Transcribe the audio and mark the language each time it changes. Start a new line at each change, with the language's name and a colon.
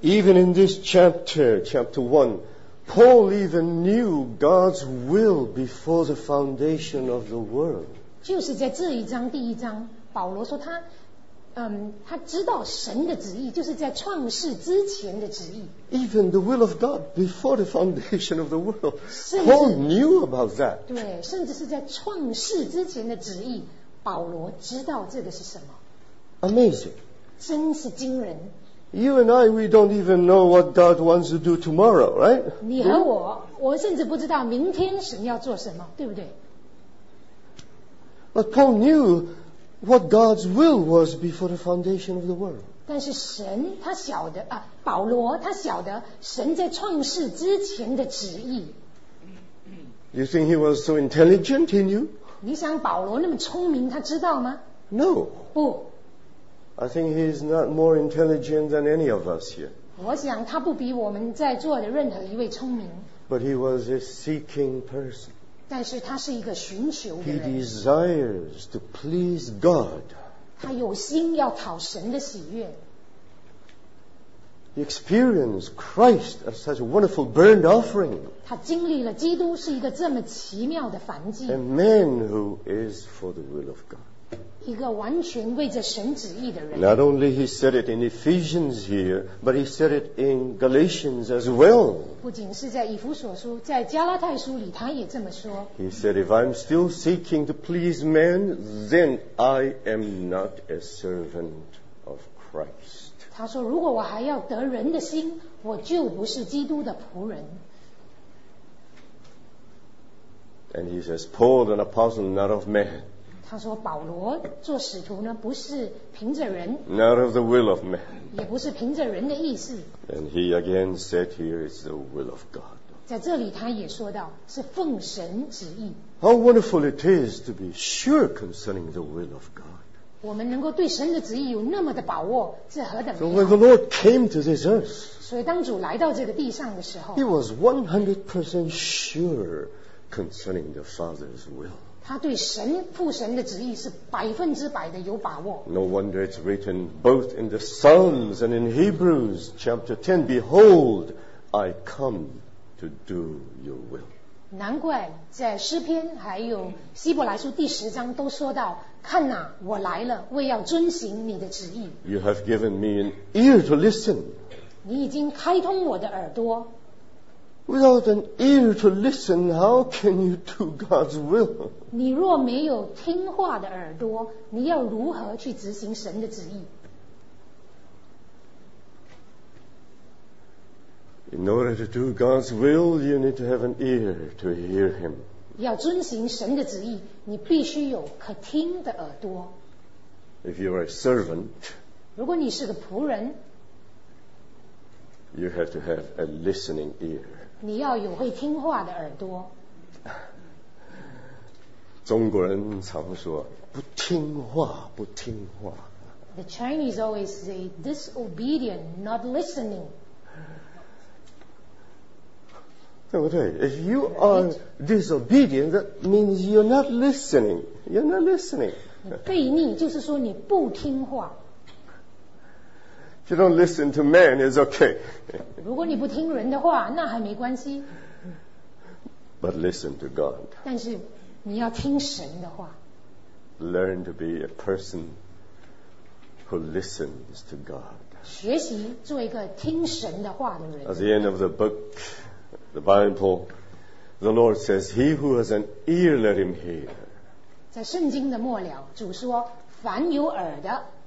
English: Even in this chapter, chapter 1, Paul even knew God's will before the foundation of the world.
Chinese: 就是在这一章第一章，保罗说他，他知道神的旨意，就是在创世之前的旨意。
English: Even the will of God before the foundation of the world, Paul knew about that.
Chinese: 对，甚至是在创世之前的旨意，保罗知道这个是什么。
English: Amazing.
Chinese: 真是惊人。
English: You and I, we don't even know what God wants to do tomorrow, right?
Chinese: 你和我，我甚至不知道明天神要做什么，对不对？
English: But Paul knew. What God's will was before the foundation of the world.
Chinese: 但是神他晓得啊，保罗他晓得神在创世之前的旨意。
English: You think he was so intelligent? He knew.
Chinese: 你想保罗那么聪明，他知道吗？
English: No.
Chinese: 不。
English: I think he is not more intelligent than any of us here.
Chinese: 我想他不比我们在座的任何一位聪明。
English: But he was a seeking person.
Chinese: 但是他是一个寻求的人。
English: He desires to please God.
Chinese: 他有心要讨神的喜悦。
English: He experienced Christ as such a wonderful burnt offering.
Chinese: 他经历了基督是一个这么奇妙的燔祭。
English: A man who is for the will of God.
Chinese: 一个完全为着神旨意的人。
English: Not only he said it in Ephesians here, but he said it in Galatians as well.
Chinese: 不仅是在以弗所书，在加拉太书里他也这么说。
English: He said, if I'm still seeking to please men, then I am not a servant of Christ.
Chinese: 他说，如果我还要得人的心，我就不是基督的仆人。
English: And he says, Paul, an apostle, not of men.
Chinese: 他说保罗做使徒呢不是凭着人
English: Not of the will of man
Chinese: 也不是凭着人的意思
English: And he again said here is the will of God
Chinese: 在这里他也说到是奉神旨意
English: How wonderful it is to be sure concerning the will of God
Chinese: 我们能够对神的旨意有那么的把握这何等美好
English: So when the Lord came to this earth
Chinese: 所以当主来到这个地上的时候
English: He was 100% sure concerning the Father's will.
Chinese: 他对神父神的旨意是百分之百的有把握。
English: No wonder it's written both in the Psalms and in Hebrews chapter 10, Behold, I come to do your will.
Chinese: 难怪在诗篇还有希伯来书第十章都说到看哪、啊、我来了为要遵行你的旨意。
English: You have given me an ear to listen.
Chinese: 你已经开通我的耳朵。
English: Without an ear to listen, how can you do God's will?
Chinese: 你若没有听话的耳朵，你要如何去执行神的旨意？
English: In order to do God's will, you need to have an ear to hear Him.
Chinese: 要遵行神的旨意，你必须有可听的耳朵。
English: If you are a servant,
Chinese: 如果你是个仆人。
English: You have to have a listening ear.
Chinese: 你要有会听话的耳朵。中国人常说不听话，不听话。
English: The Chinese always say disobedient, not listening.
Chinese: 对不对
English: ？If you are disobedient, that means you're not listening. You're not listening.
Chinese: 悖逆就是说你不听话。
English: If you don't listen to man, it's okay.
Chinese: 如果你不听人的话，那还没关系。
English: But listen to God.
Chinese: 但是你要听神的话。
English: Learn to be a person who listens to God.
Chinese: 学习做一个听神的话的人。
English: At the end of the book, the Bible, the Lord says, "He who has an ear, let him hear."
Chinese: 在圣经的末了，主说，凡有耳的。